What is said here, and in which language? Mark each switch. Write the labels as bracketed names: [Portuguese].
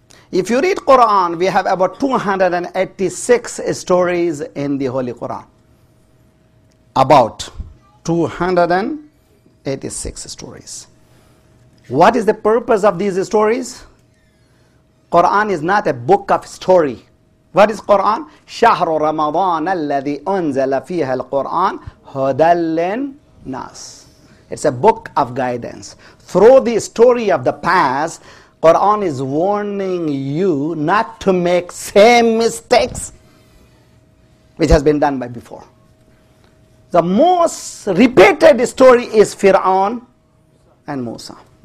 [English] If you read Quran, we have about 286 stories in the Holy Quran. About 286 stories. What is the purpose of these stories? Quran is not a book of story. What is Quran? [Arabic] شهر رمضان الذي أنزل فيها القرآن هدى للناس. [English] It's a book of guidance. Through the story of the past, Quran is warning you not to make same mistakes which has been done by before. The most repeated story is Fir'aun and Musa.